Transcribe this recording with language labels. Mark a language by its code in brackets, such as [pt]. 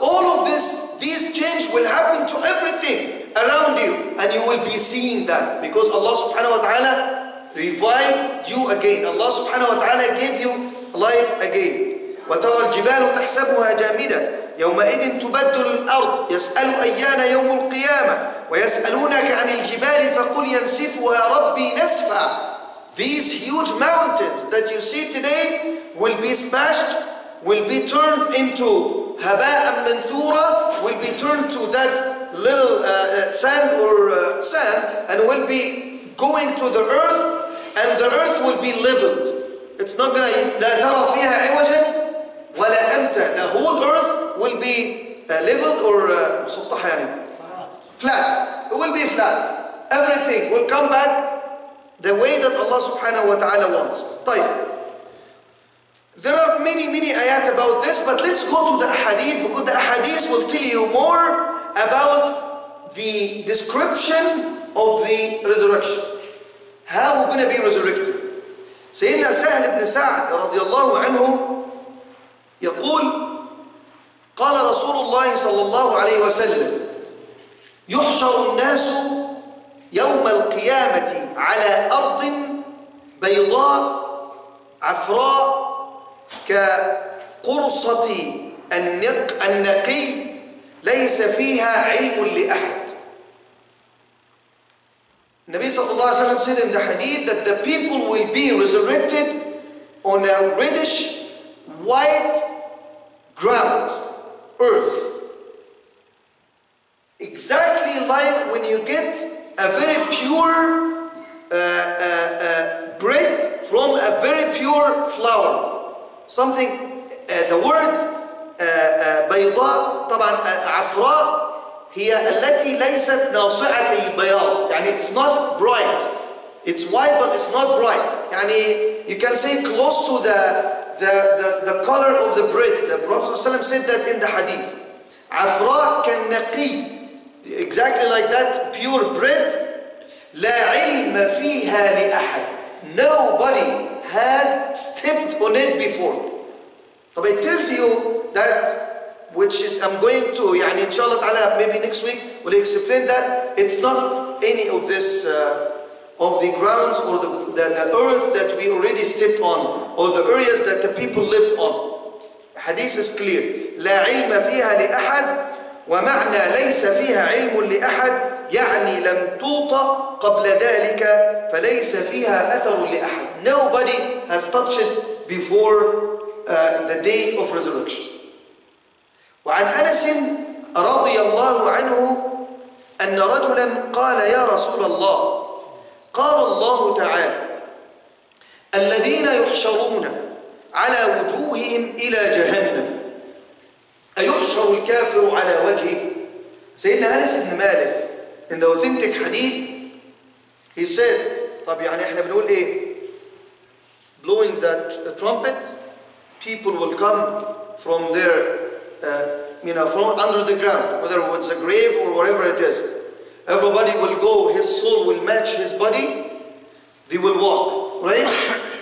[en] All of these change will happen to everything around you, and you will be seeing that because Allah subhanahu wa ta'ala revived you again. Allah subhanahu wa ta'ala gave you life again. [ar] وترى الجبال تحسبها جامدة يومئذ تبدل الأرض يسأل أيان يوم القيامة ويسألونك عن الجبال فقل ينسفها ربي نسفا. [en] These huge mountains that you see today will be smashed, will be turned into [ar] هباء منثورة, [en] will be turned to that little sand, and will be going to the earth, and the earth will be leveled. It's not gonna [ar] لا ترى فيها عوجا ولا أمتا. [en] The whole earth will be leveled or [ar] مسطحة يعني [en] flat. It will be flat. Everything will come back the way that Allah subhanahu wa ta'ala wants. طيب. There are many ayat about this, but let's go to the ahadith, because the ahadith will tell you more about the description of the resurrection. How we're going to be resurrected. [ar] Sayyidina Sahl ibn Sa'd radiallahu anhu يقول قال رسول الله صلى الله عليه وسلم يحشر الناس يوم القيامة على أرض بيضاء عفراء كقرصة النقي ليس فيها علم لأحد. النبي صلى الله عليه وسلم [en] said in the hadith that the people will be resurrected on a reddish white ground, earth. Exactly like when you get a very pure bread from a very pure flour. Something, the word [ar] بيضاء طبعا عفراء هي التي ليست ناصعة البياض. [en] يعني it's not bright. It's white but it's not bright. يعني you can say close to the color of the bread. The Prophet ﷺ said that in the hadith. [ar] عفراء كالنقي. [en] Exactly like that, pure bread. [ar] لا علم فيها لأحد. [en] Nobody had stepped on it before. طب it tells you that, which is I'm going to, [ar] يعني إن شاء الله تعالى, [en] maybe next week, will explain that it's not any of this of the grounds or the earth that we already stepped on or the areas that the people lived on. Hadith is clear. [ar] لا علم فيها لأحد. ومعنى ليس فيها علم لأحد يعني لم توطأ قبل ذلك فليس فيها أثر لأحد. [en] Nobody has touched it before the day of resurrection. [ar] وعن أنس رضي الله عنه أن رجلا قال يا رسول الله قال الله تعالى الذين يحشرون على وجوههم إلى جهنم أيحشر الكافر على وجهه. [en] سيدنا أنس بن مالك in the authentic hadith he said, [ar] طب يعني احنا بنقول ايه, [en] blowing that trumpet people will come from their you know from under the ground, whether it's a grave or whatever it is, everybody will go, his soul will match his body, they will walk, right?